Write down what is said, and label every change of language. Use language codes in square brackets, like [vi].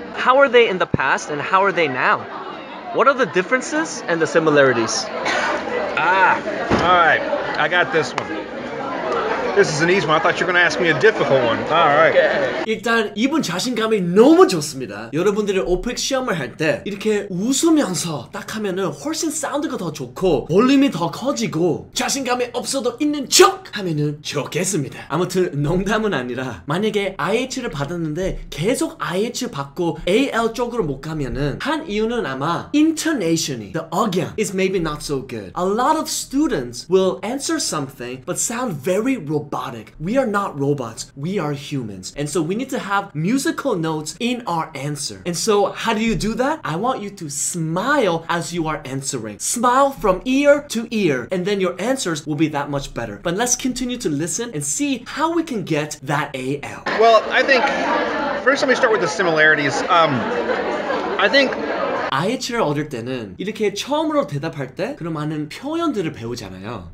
[en] How are they in the past and how are they now? What are the differences and the similarities? Ah, all right. I got this one. This is an easy one. I thought you were going to ask me a difficult one. All right. Okay. [ko] 일단 이분 자신감이 너무 좋습니다. 여러분들이 오픽 시험을 할 때 이렇게 웃으면서 딱 하면은 훨씬 사운드가 더 좋고 볼륨이 더 커지고 자신감이 없어도 있는 척 하면은 좋겠습니다. 아무튼 농담은 아니라 만약에 IH를 받았는데 계속 IH 받고 AL 쪽으로 못 가면은 한 이유는 아마 intonation이 [en] the again is maybe not so good. A lot of students will answer something but sound very robotic. We are not robots. We are humans. And so we need to have musical notes in our answer. And so how do you do that? I want you to smile as you are answering. Smile from ear to ear and then your answers will be that much better. But let's continue to listen and see how we can get that AL. Well, I think first let me start with the similarities. I think [ko] IH를 얻을 때는 이렇게 처음으로 대답할 때 그런 많은 표현들을 배우잖아요.